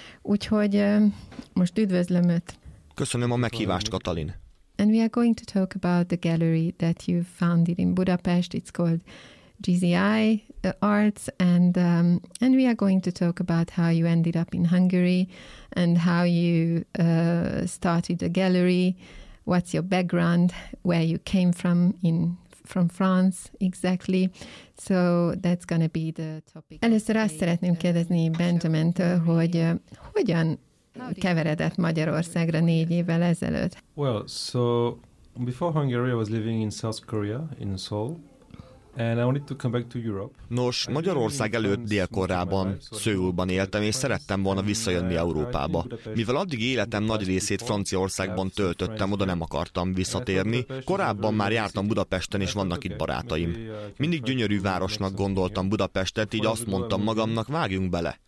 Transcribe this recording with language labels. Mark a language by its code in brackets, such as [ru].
[hu] Úgyhogy most üdvözlöm Öt. Köszönöm a meghívást, Katalin. [en] And we are going to talk about the gallery that you founded in Budapest. It's called GZI Arts. And we are going to talk about how you ended up in Hungary and how you started the gallery. What's your background, where you came from from France exactly. So that's going to be the topic. [hu] Először azt szeretném kérdezni Benjamintől, hogy hogyan keveredett Magyarországra 4 évvel ezelőtt. [en] Well, so before Hungary I was living in South Korea in Seoul and I wanted to come back to Europe. [hu] Nos, Magyarország előtt Dél-Koreában, Szöulban éltem és szerettem volna visszajönni Európába. Mivel addig életem nagy részét Franciaországban töltöttem, oda nem akartam visszatérni. Korábban már jártam Budapesten és vannak itt barátaim. Mindig gyönyörű városnak gondoltam Budapestet, így azt mondtam magamnak, vágjunk bele.